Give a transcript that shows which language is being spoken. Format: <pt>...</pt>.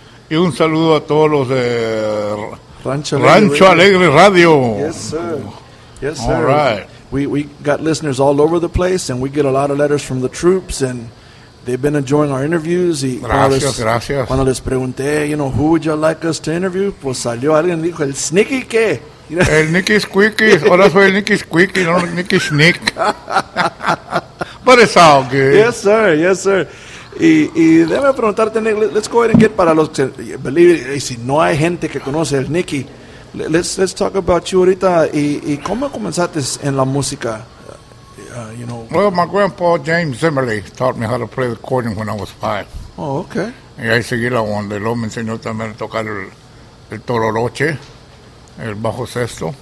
<es>Y un saludo a todos los de Rancho Alegre Radio.</es> <en>Yes, sir. Yes, sir. All right. We got listeners all over the place, and we get a lot of letters from the troops, and they've been enjoying our interviews.</en> <es>Y gracias, gracias. Cuando les pregunté,</es> <en>you know, who would you like us to interview?</en> <es>Pues salió alguien y dijo, el Sneaky qué?</es> <en>You know?</en> <es>El Nicky Squeaky. Ahora soy el Nicky Squeaky, no el Nicky Sneak.</es> <en>But it's all good. Yes, sir. Yes, sir.</en> <es>Y déjame preguntarte,</es> <en>Nick, let's go ahead and get</en> <es>para los que,</es> <en>believe it,</en> <es>si no hay gente que conoce el Nicky,</es> <en>let's talk about you</en> <es>ahorita. Y cómo comenzaste en la música?</es> <en>You know. Well, my grandpa, James Zimmerle, taught me how to play the accordion when I was 5. Oh, okay.</en> <es>Y ahí seguí la onda. Luego me enseñó también a tocar el tororoche, el bajo sexto.</es>